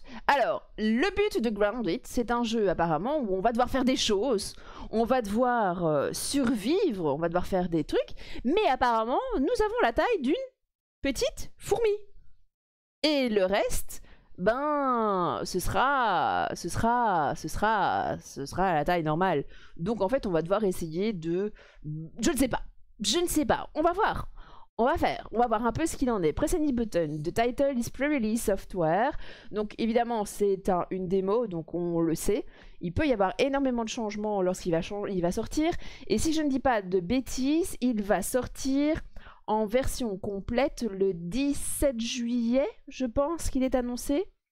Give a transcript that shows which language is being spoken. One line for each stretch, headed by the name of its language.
French: Alors, le but de Grounded, c'est un jeu apparemment où on va devoir faire des choses, on va devoir survivre, on va devoir faire des trucs, mais apparemment, nous avons la taille d'une petite fourmi. Et le reste, ben, ce sera à la taille normale. Donc en fait, on va devoir essayer de... Je ne sais pas, on va voir. On va voir un peu ce qu'il en est.
English: Press any button. The title is pre-release software.
French: Donc évidemment, c'est une démo, donc on le sait. Il peut y avoir énormément de changements lorsqu'il va, sortir. Et si je ne dis pas de bêtises, il va sortir en version complète le 17 juillet, je pense qu'il est annoncé.